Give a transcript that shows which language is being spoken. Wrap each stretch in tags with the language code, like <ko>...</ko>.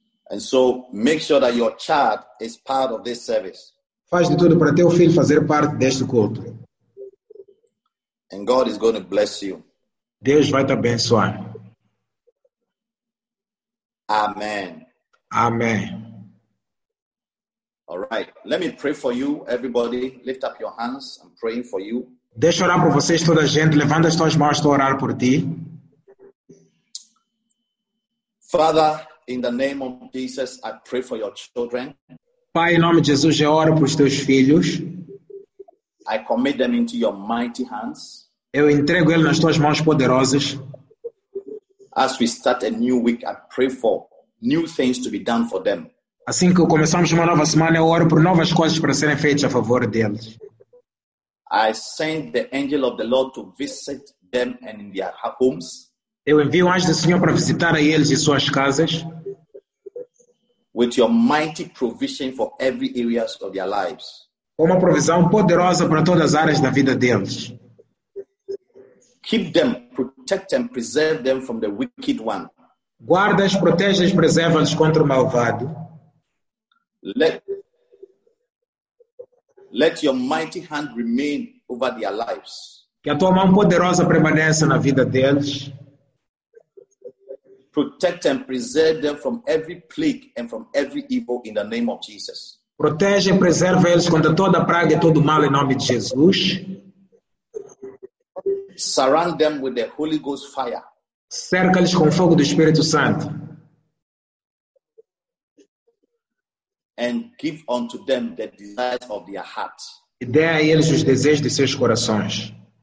<en>And so, make sure that your child is part of this service.</en> <pt>Faz de tudo para teu filho fazer parte deste culto.</pt> <en>And God is going to bless you.</en> <pt>Deus vai te abençoar.</pt> <en>Amen.</en> <pt>Amém.</pt> <en>All right, let me pray for you, everybody. Lift up your hands. I'm praying for you.</en> <pt>Deixa orar por vocês, toda a gente. Levanta as tuas mãos, estou a orar por ti.</pt> <en>Father, in the name of Jesus, I pray for your children.</en> <pt>Pai, em nome de Jesus, eu oro por os teus filhos.</pt> <en>I commit them into your mighty hands.</en> <pt>Eu entrego eles nas tuas mãos poderosas.</pt> <en>As we start a new week, I pray for new things to be done for them.</en> <pt>Assim que começamos uma nova semana, eu oro por novas coisas para serem feitas a favor deles.</pt> <en>I send the angel of the Lord to visit them and in their homes.</en> <pt>Eu envio o anjo do Senhor para visitar a eles e suas casas.</pt> <en>With your mighty provision for every areas of their lives.</en> <pt>Com uma provisão poderosa para todas as áreas da vida deles.</pt> <en>Keep them, protect and preserve them from the wicked one.</en> <pt>Guarda-os, protege-os, preserva-os contra o malvado.</pt> <en>Let your mighty hand remain over their lives.</en> <pt>Que a tua mão poderosa permaneça na vida deles.</pt> <en>Protect and preserve them from every plague and from every evil in the name of Jesus.</en> <pt>Protege e preserva eles contra toda praga e todo mal em nome de Jesus.</pt> <en>Surround them with the Holy Ghost fire.</en> <pt>Cerca-lhes com o fogo do Espírito Santo.</pt> <en>And give unto them the desires of their hearts.</en> <pt>E dê a eles os desejos de seus corações.</pt>